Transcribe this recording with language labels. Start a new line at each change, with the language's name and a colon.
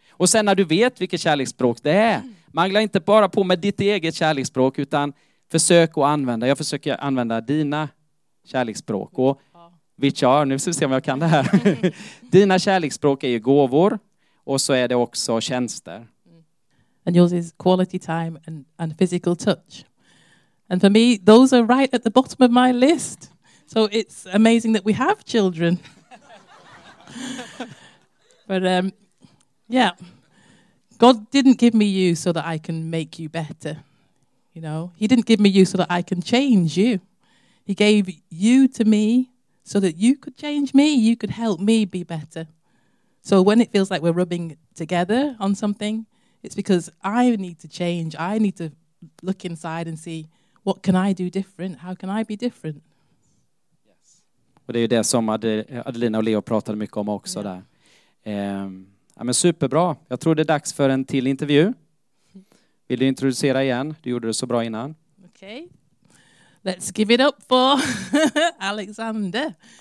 Swedish: Och sen när du vet vilket kärleksspråk det är, mangla inte bara på med ditt eget kärleksspråk, utan försök att använda. Jag försöker använda dina kärleksspråk. Och
English: which are,
Swedish: nu ska vi se om jag kan det här. Dina kärleksspråk är ju gåvor. Och så är det också tjänster.
English: And yours is quality time and physical touch. And for me, those are right at the bottom of my list. So it's amazing that we have children. But yeah, God didn't give me you so that I can make you better. You know, he didn't give me you so that I can change you. He gave you to me so that you could change me. You could help me be better. So when it feels like we're rubbing together on something, it's because I need to change. I need to look inside and see, what can I do different? How can I be different? Yes.
Swedish: Och det är ju det som Adelina och Leo pratade mycket om också,
English: yeah,
Swedish: där. Ja, men superbra. Jag tror det är dags för en till intervju. Vill du introducera igen? Du gjorde det så bra innan.
English: Okay. Let's give it up for Alexander.